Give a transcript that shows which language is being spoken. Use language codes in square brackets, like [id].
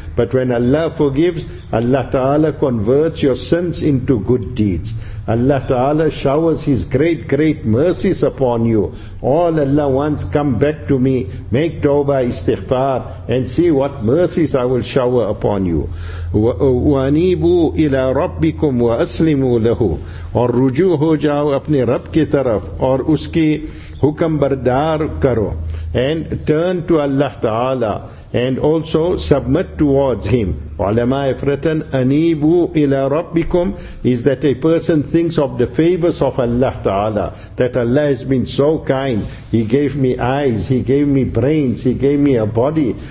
[en] But when Allah forgives, Allah Ta'ala converts your sins into good deeds. Allah Ta'ala showers His great, great mercies upon you. All Allah wants, come back to me, make tawbah, istighfar, and see what mercies I will shower upon you. [ar] وَأَنِيبُوا إِلَىٰ رَبِّكُمْ وَأَسْلِمُوا لَهُ. [ur] اور رجوع ہو جاؤ اپنے رب کی طرف اور اس کی حکم بردار کرو. [en] And turn to Allah Ta'ala and also submit towards Him. Ulama have written, [ar] Anibu ila Rabbikum, [en] is that a person thinks of the favors of Allah Ta'ala, that Allah has been so kind. He gave me eyes, He gave me brains, He gave me a body.